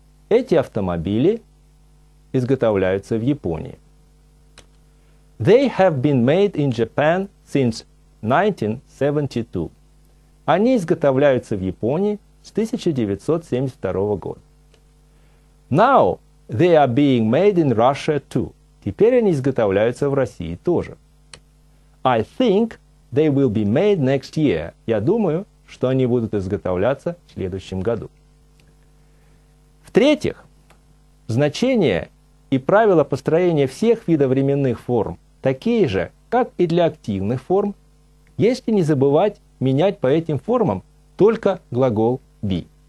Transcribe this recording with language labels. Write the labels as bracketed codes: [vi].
[ru] Эти автомобили изготовляются в Японии. [en] They have been made in Japan since 1972. [ru] Они изготовляются в Японии с 1972 года. [en] Now they are being made in Russia too. [ru] Теперь они изготовляются в России тоже. [en] I think they will be made next year. [ru] Я думаю, что они будут изготовляться в следующем году. В-третьих, значение и правила построения всех видов временных форм такие же, как и для активных форм, если не забывать менять по этим формам только глагол be.